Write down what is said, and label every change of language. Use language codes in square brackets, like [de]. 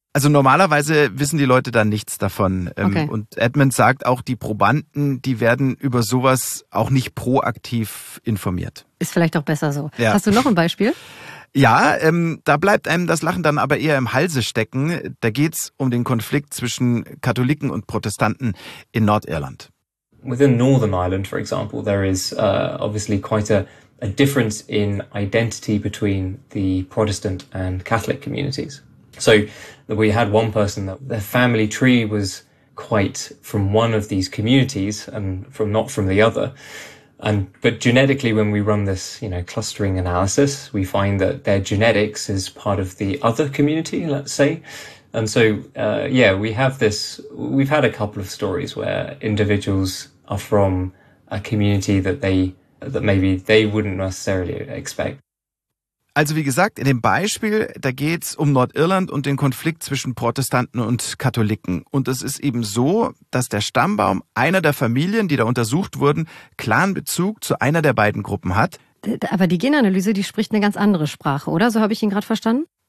[de] Also normalerweise wissen die Leute dann nichts davon. Okay. Und Edmund sagt auch, die Probanden, die werden über sowas auch nicht proaktiv informiert. Ist vielleicht auch besser so. Ja. Hast du noch ein Beispiel? Ja, da bleibt einem das Lachen dann aber eher im Halse stecken. Da geht's um den Konflikt zwischen Katholiken und Protestanten in Nordirland. [en] Within Northern Ireland, for example, there is obviously quite a difference in identity between the Protestant and Catholic communities. So we had one person that their family tree was quite from one of these communities and from not from the other. And but genetically, when we run this, you know, clustering analysis, we find that their genetics is part of the other community, let's say. And so, we have this, we've had a couple of stories where individuals are from a community that maybe they wouldn't necessarily expect. [de] Also wie gesagt, in dem Beispiel, da geht's um Nordirland und den Konflikt zwischen Protestanten und Katholiken. Und es ist eben so, dass der Stammbaum einer der Familien, die da untersucht wurden, klaren Bezug zu einer der beiden Gruppen hat. Aber die Genanalyse, die spricht eine ganz andere Sprache, oder? So habe ich ihn gerade verstanden?